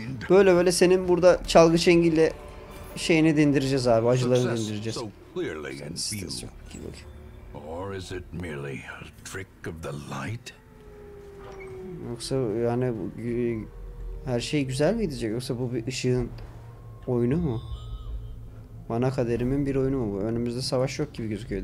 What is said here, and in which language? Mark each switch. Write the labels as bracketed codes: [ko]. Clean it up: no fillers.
[tr] Böyle böyle senin burada çalgı çengille şeyini dindireceğiz abi. Acılarını dindireceğiz. Senin stres yok. Gidin bakayım. [en] Or is it merely a trick of the light? [tr] Yoksa yani her şey güzel mi gidecek? Yoksa bu bir ışığın oyunu mu? Bana kaderimin bir oyunu mu bu? Önümüzde savaş yok gibi gözüküyor.